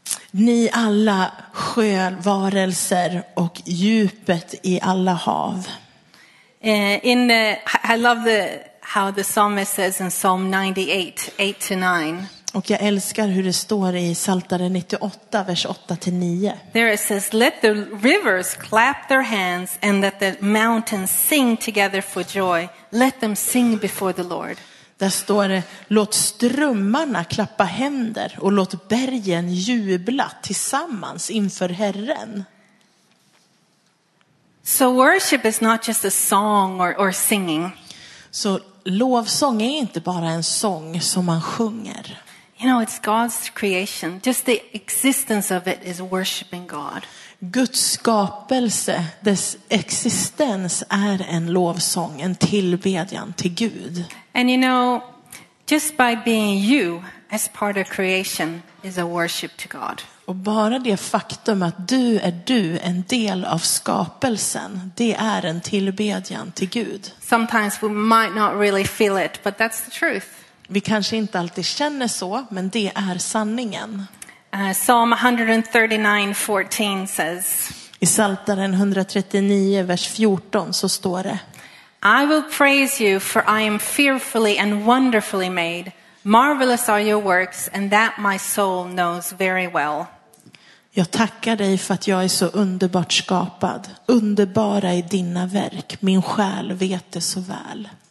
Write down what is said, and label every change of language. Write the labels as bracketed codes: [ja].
[sv] Ni alla sjövarelser och djupet i alla hav. [en] I love how the psalmist says in Psalm 98:8-9. [sv] Och jag älskar hur det står i Saltaren 98, vers 8-9. [en] There it says, let the rivers clap their hands and let the mountains sing together for joy. Let them sing before the Lord. [sv] Där står det, låt strömmarna klappa händer och låt bergen jubla tillsammans inför Herren. [en] So worship is not just a song or singing. [sv] Så lovsång är inte bara en sång som man sjunger. [en] You know, it's God's creation. Just the existence of it is worshiping God. [sv] Guds skapelse, dess existens är en lovsång, en tillbedjan till Gud. [en] And you know, just by being you as part of creation is a worship to God. [sv] Och bara det faktum att du är du, en del av skapelsen, det är en tillbedjan till Gud. [en] Sometimes we might not really feel it, but that's the truth. [sv] Vi kanske inte alltid känner så, men det är sanningen. [en] Psalm 139:14 says. [sv] I Saltaren 139 vers 14 så står det. [en] I will praise you for I am fearfully and wonderfully made. Marvelous are your works and that my soul knows very well. [sv] Jag tackar dig för att jag är så underbart skapad. Underbara är dina verk, min själ vet det så väl.